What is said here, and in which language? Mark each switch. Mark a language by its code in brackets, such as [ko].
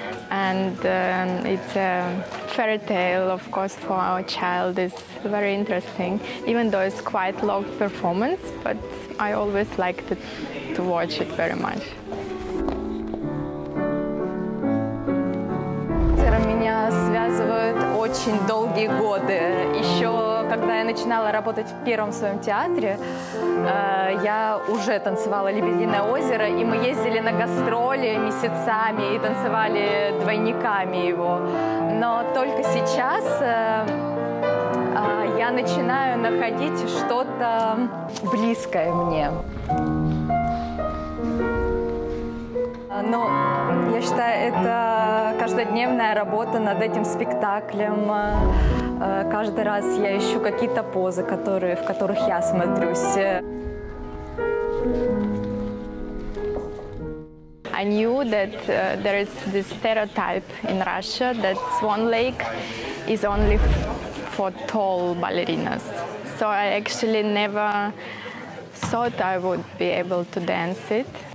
[en] And it's a fairy tale, of course, for our child. It's very interesting, even though it's quite long performance, but I always liked it, to watch it very much. [ru] Меня связывают очень долгие годы. Еще когда я начинала работать в первом своем театре, я уже танцевала «Лебединое озеро», и мы ездили на гастроли месяцами и танцевали двойниками его. Но только сейчас я начинаю находить что-то близкое мне. Но я считаю, это каждодневная работа над этим спектаклем. Каждый раз я ищу какие-то позы, в которых я смотрюсь. [en] I knew that there is this stereotype in Russia that Swan Lake is only for tall ballerinas. So I actually never thought I would be able to dance it.